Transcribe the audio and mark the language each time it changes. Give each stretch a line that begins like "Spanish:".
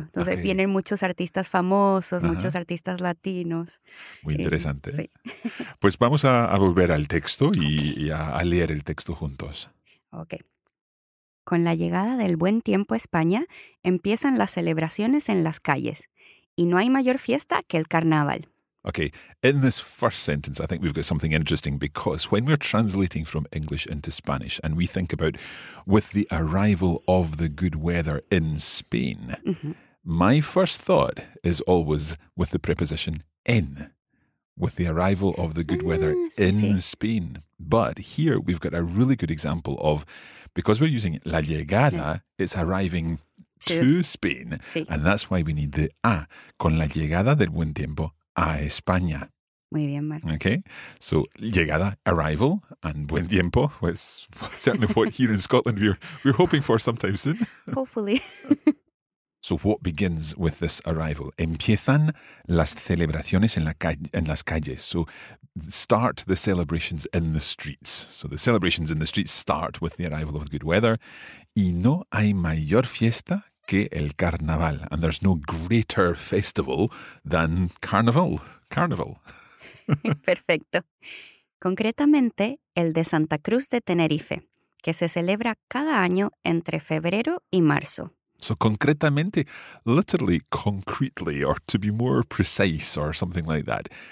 Spanish: Entonces vienen muchos artistas famosos, muchos artistas latinos. Muy interesante. Sí. Pues vamos a volver al texto y a leer el texto juntos.
English: Ok.
Spanish: Con la llegada del buen tiempo a España, empiezan las celebraciones en las calles. Y no hay mayor fiesta que el carnaval.
English: Okay, in this first sentence, I think we've got something interesting because when we're translating from English into Spanish and we think about with the arrival of the good weather in Spain, my first thought is always with the preposition in, with the arrival of the good weather in Spain. But here we've got a really good example of, because we're using la llegada, it's arriving to Spain.
Spanish: Sí.
English: And that's why we need the a,
Spanish: con la llegada del buen tiempo, a España. Muy bien, Marc.
English: Okay, so llegada, arrival, and buen tiempo was certainly what here in Scotland we're hoping for sometime soon. Hopefully. So what begins with this arrival?
Spanish: Empiezan las celebraciones en las calles.
English: So start the celebrations in the streets. So the celebrations in the streets start with the arrival of the good weather.
Spanish: Y no hay mayor fiesta que el carnaval.
English: And there's no greater festival than carnival. Carnival.
Spanish: Perfecto. Concretamente, el de Santa Cruz de Tenerife, que se celebra cada año entre febrero y marzo.
English: So concretamente, literally, concretely, or to be more precise, or something like that.